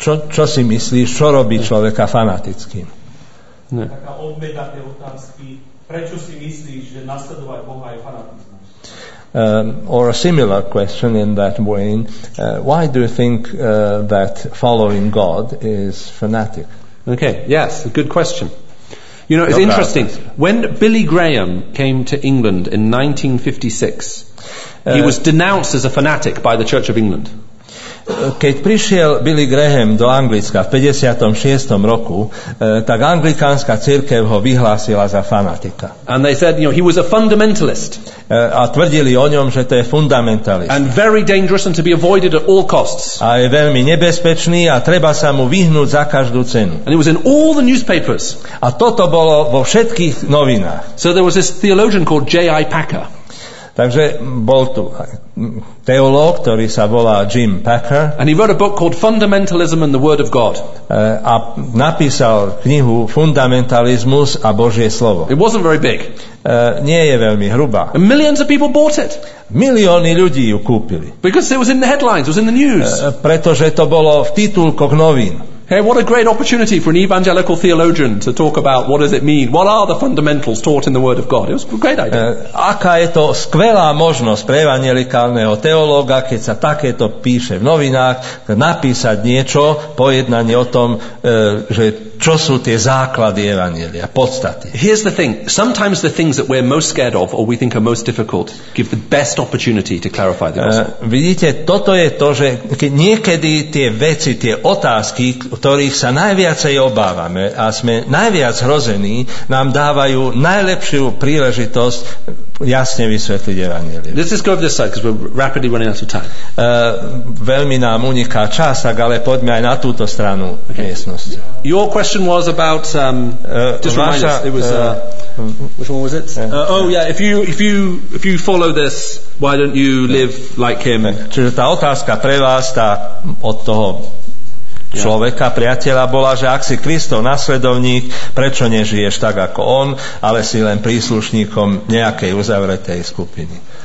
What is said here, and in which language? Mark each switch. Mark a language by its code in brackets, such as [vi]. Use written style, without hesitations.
[sk] Čo si myslíš, čo robí človeka fanatickým? Taká odmeta tej otázky, prečo si myslíš, že nasledovať Boha je fanatizmus? [en] Or a similar question in that way, why do you think that following God is fanatic? Okay, yes, a good question. You know, it's no interesting. Problem. When Billy Graham came to England in 1956, he was denounced as a fanatic by the Church of England. [sk] Keď prišiel Billy Graham do Anglicka v 56. roku, tak anglikánska cirkev ho vyhlásila za fanatika. [en] And they said, you know, he was a fundamentalist. [sk] A tvrdili o ňom, že to je fundamentalista. [en] And very dangerous and to be avoided at all costs. [sk] A je veľmi nebezpečný a treba sa mu vyhnúť za každú cenu. [en] And it was in all the newspapers. [sk] A toto bolo vo všetkých novinách. [en] So there was this theologian called J.I. Packer. [sk] Takže bol tu teológ, ktorý sa volá Jim Packer. [en] And he wrote a book called Fundamentalism and the Word of God. [sk] A napísal knihu Fundamentalismus a Božie slovo. [en] It wasn't very big. [sk] Nie je veľmi hrubá. [en] And millions of people bought it. [sk] Milióny ľudí ju kúpili. [en] Because it was in the headlines, it was in the news. [sk] Pretože to bolo v titulkoch novín. [en] Hey, what a great opportunity for an evangelical theologian to talk about what does it mean? What are the fundamentals taught in the Word of God? It was a great idea. [sk] Aká je to skvelá možnosť pre evangelikálneho teológa, keď sa takéto píše v novinách, napísať niečo, pojednanie o tom, že čo sú tie základy evangelia, podstaty. [en] Here's the thing. Sometimes the things that we're most scared of or we think are most difficult give the best opportunity to clarify the gospel. [sk] Vidíte, toto je to, že keď niekedy tie veci, tie otázky, ktorých sa najviacej obávame a sme najviac hrození, nám dávajú najlepšiu príležitosť jasne vysvetliť evanjelium. [en] Let's just go over this side, because we're rapidly running out of time. [sk] Veľmi nám uniká čas, tak ale poďme aj na túto stranu miestnosti. [en] Your question was about if you follow this, why don't you live like him? [sk] Čiže tá otázka pre vás, tá od toho človeka, priateľa bola, že ak si Kristov nasledovník, prečo nežiješ tak ako on, ale si len príslušníkom nejakej uzavretej skupiny.